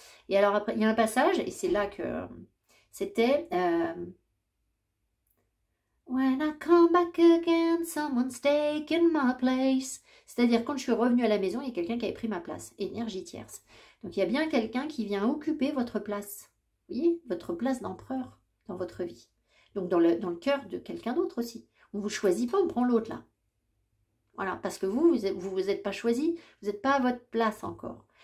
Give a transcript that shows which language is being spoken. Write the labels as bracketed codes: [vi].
[fr] Et alors après, il y a un passage, et c'est là que c'était. [en] When I come back again, someone's taken my place. [fr] C'est-à-dire quand je suis revenue à la maison, il y a quelqu'un qui avait pris ma place. Énergie tierce. Donc il y a bien quelqu'un qui vient occuper votre place. Vous voyez? Votre place d'empereur dans votre vie. Donc dans le cœur de quelqu'un d'autre aussi. On ne vous choisit pas, on prend l'autre là. Voilà, parce que vous n'êtes pas choisi, vous n'êtes pas à votre place encore.